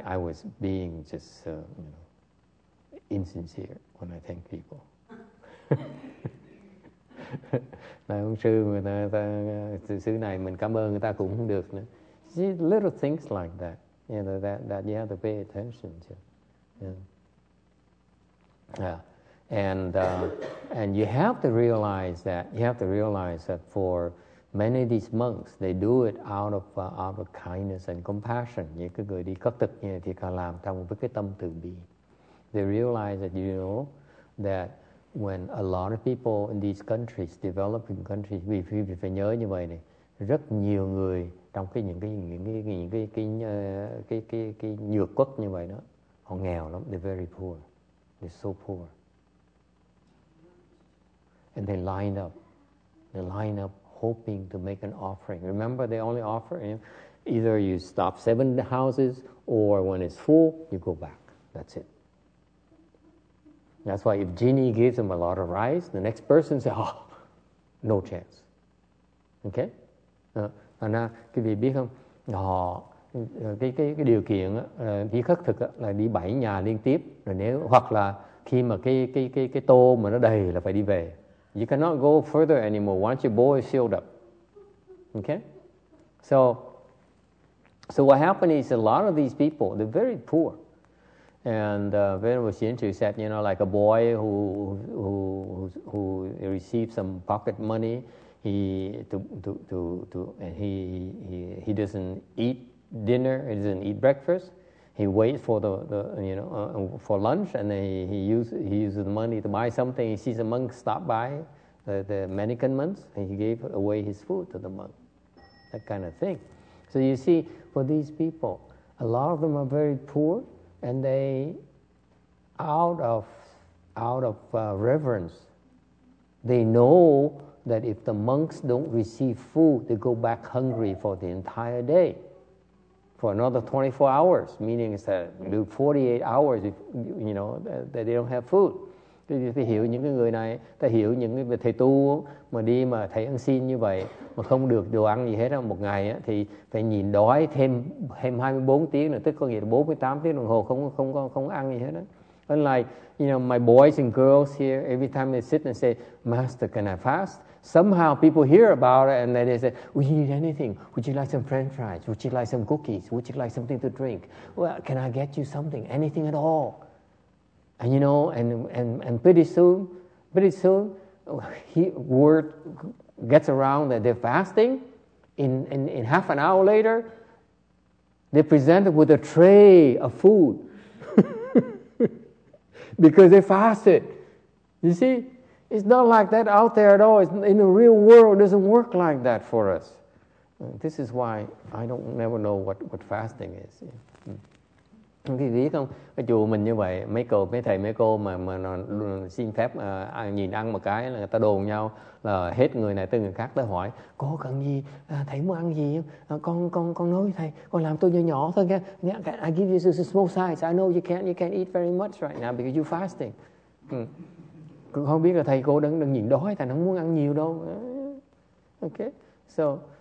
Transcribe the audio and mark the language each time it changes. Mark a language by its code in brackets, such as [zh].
[en] Yeah, I was being just you know, insincere when I thank people. [vi] Nói ông sư người ta, sư này mình cảm ơn người ta cũng không được nữa. [en] See, little things like that, you know, that you have to pay attention to. Yeah. And you have to realize that for many of these monks, they do it out of kindness and compassion. [vi] Những cái người đi khất thực như thì họ làm trong với cái tâm từ bi. [en] They realize that, you know, that when a lot of people in these countries, developing countries, [vi] vì phải nhớ như vậy này, rất nhiều người trong cái những cái nhược quốc như vậy đó, họ nghèo lắm, [en] they're very poor, they're so poor. And they line up. They line up hoping to make an offering. Remember, they only offer, you know, either you stop 7 houses or when it's full, you go back. That's it. That's why if genie gives them a lot of rice, the next person says, oh, no chance. [vi] Okay? Anna, quý vị biết không? Họ, cái điều kiện đi khất thực là đi 7 nhà liên tiếp. Rồi nếu, hoặc là khi mà cái tô mà nó đầy là phải đi về. [en] You cannot go further anymore once your bowl is filled up. Okay? So what happened is a lot of these people, they're very poor. And Venerable Shinshu said, you know, like a boy who received some pocket money, he doesn't eat dinner, he doesn't eat breakfast. He waits for for lunch, and then he uses the money to buy something. He sees a monk stop by. The mendicant monks, and he gave away his food to the monk, that kind of thing. So you see, for these people, a lot of them are very poor, and they, out of reverence, they know that if the monks don't receive food, they go back hungry for the entire day, for another 24 hours, meaning it's 48 hours, if, you know, that they don't have food. [vi] Thì hiểu những cái người này, ta hiểu những cái thầy tu mà đi mà thầy ăn xin như vậy mà không được đồ ăn gì hết á, một ngày á, thì phải nhịn đói thêm 24 tiếng nữa, tức có nghĩa là 48 tiếng đồng hồ không ăn gì hết á. [en] And like, you know, my boys and girls here, every time they sit and say, Master, can I fast? Somehow people hear about it and then they say, would you need anything? Would you like some french fries? Would you like some cookies? Would you like something to drink? Well, can I get you something, anything at all? And you know, and pretty soon, word gets around that they're fasting. In half an hour later, they're presented with a tray of food because they fasted. You see, it's not like that out there at all. In the real world, it doesn't work like that for us. This is why I never know what fasting is. [vi] Thì biết không, cái chùa mình như vậy, mấy cô, mấy thầy, mấy cô mà xin phép nhìn ăn một cái là người ta đồn nhau là hết người này tới người khác tới hỏi, cô cần gì, thầy muốn ăn gì, con nói với thầy, con làm tôi nhỏ nhỏ thôi nha. [en] I give you a small size, I know you can't eat very much right now because you're fasting. [vi] Không biết là thầy cô đang nhịn đói, thầy không muốn ăn nhiều đâu. [en] Okay, so...